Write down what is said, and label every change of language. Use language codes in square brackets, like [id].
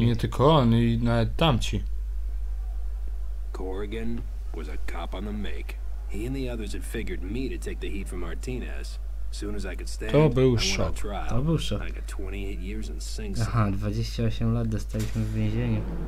[pl] I nie tylko on, i nawet tamci. [en] Corrigan was a cop on the make. He and the others had figured me to take the heat for Martinez. Soon as I could stand, [pl] to był szok. To był szok. [en] I got 28 years in Sing Sing. [pl] Aha, 28 lat dostaliśmy w więzieniu.